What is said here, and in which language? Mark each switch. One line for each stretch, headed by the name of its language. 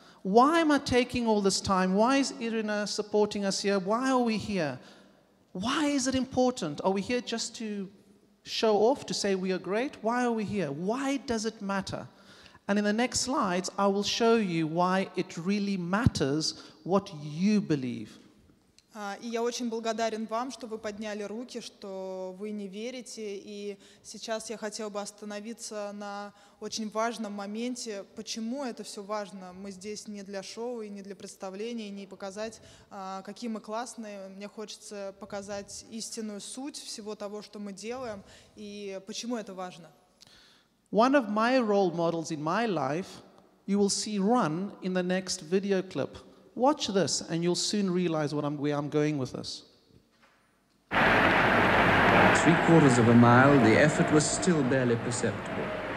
English: Why am I taking all this time? Why is Irina supporting us here? Why are we here? Why is it important? Are we here just to show off, to say we are great? Why are we here? Why does it matter? And in the next slides, I will show you why it really matters what you believe.
Russian: И я очень благодарен вам, что вы подняли руки, что вы не верите. И сейчас я хотел бы остановиться на очень важном моменте. Почему это все важно? Мы здесь не для шоу и не для представления, и не показать, какие мы классные. Мне хочется показать истинную суть всего того, что мы делаем, и почему это важно.
English: One of my role models in my life, you will see run in the next video clip. Watch this, and you'll soon realize where I'm going with this. Three quarters of a mile, the effort was still barely perceptible.